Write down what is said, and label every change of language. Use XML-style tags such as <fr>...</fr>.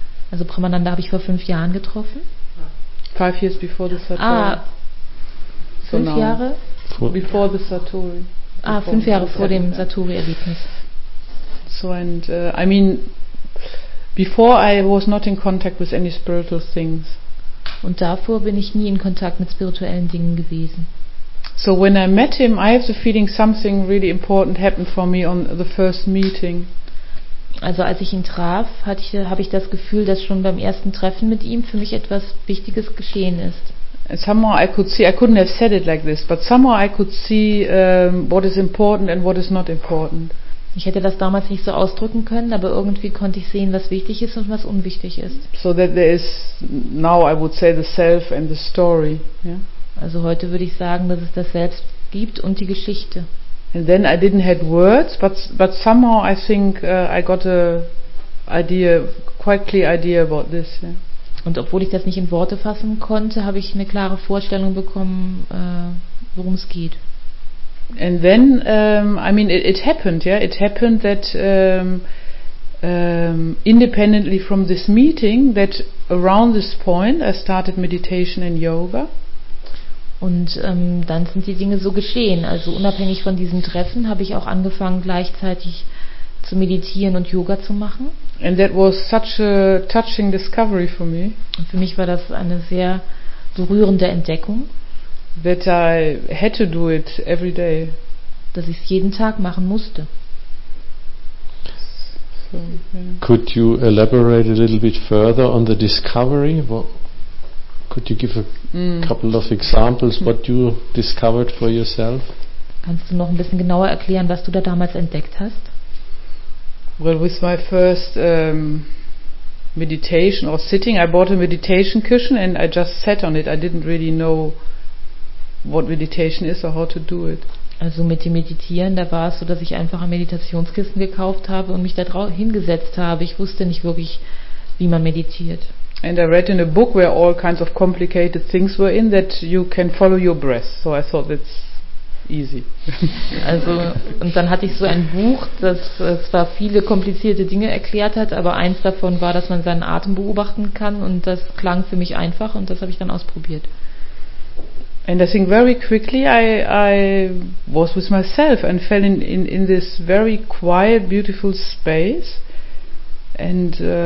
<de>Also Premananda habe ich vor 5 Jahren getroffen.</de> <en>5 years before the Satori.</en> <de>Ah, 5 Jahre?</de> <en>Before the Satori.</en> <de>Ah, 5 Jahre vor dem Satori-Erlebnis.</de> <en>So and I mean, before I was not in contact with any spiritual things.</en> <de>Und davor bin ich nie in Kontakt mit spirituellen Dingen gewesen.</de> <en>So when I met him, I have the feeling something really important happened for me on the first meeting.</en> <de>Also als ich ihn traf, habe ich das Gefühl, dass schon beim ersten Treffen mit ihm für mich etwas Wichtiges geschehen ist.</de> <en>Somehow I could see, I couldn't have said it like this, but somehow I could see what is important and what is not important.</en> <de>Ich hätte das damals nicht so ausdrücken können, aber irgendwie konnte ich sehen, was wichtig ist und was unwichtig ist.</de> <en>So that there is now, I would say, the self and the story. Yeah?</en> <de>Also heute würde ich sagen, dass es das Selbst gibt und die Geschichte.</de> <en>And then I didn't have words, but somehow I think I got a idea, quite clear idea about this. Yeah.</en> <de>Und obwohl ich das nicht in Worte fassen konnte, habe ich eine klare Vorstellung bekommen, worum es geht.</de> <en>And then, I mean, it happened, yeah, it happened that independently from this meeting, that around this point I started meditation and yoga.</en> <de>Und dann sind die Dinge so geschehen. Also unabhängig von diesem Treffen habe ich auch angefangen, gleichzeitig zu meditieren und Yoga zu machen.</de> <en>And that was such a touching discovery for me.</en> <de>Und für mich war das eine sehr berührende Entdeckung.</de> <en>That I had to do it every day.</en> <de>Dass ich es jeden Tag machen musste.</de> <en>So, yeah. Could you elaborate a little bit further on the discovery? Could you give a couple of examples what you discovered for yourself?</en> <de>Kannst du noch ein bisschen genauer erklären, was du da damals entdeckt hast?</de> <en>Well, with my first meditation or sitting, I bought a meditation cushion and I just sat on it. I didn't really know what meditation is or how to do it.</en> <de>Also mit dem Meditieren, da war es so, dass ich einfach ein Meditationskissen gekauft habe und mich da drauf hingesetzt habe. Ich wusste nicht wirklich, wie man meditiert.</de> <en>And I read in a book where all kinds of complicated things were in that you can follow your breath. So I thought that's easy.</en> <de>Also und dann hatte ich so ein Buch, das zwar viele komplizierte Dinge erklärt hat, aber eins davon war, dass man seinen Atem beobachten kann und das klang für mich einfach und das habe ich dann ausprobiert. And I think very quickly I was with myself and fell in this very quiet, beautiful space and</de>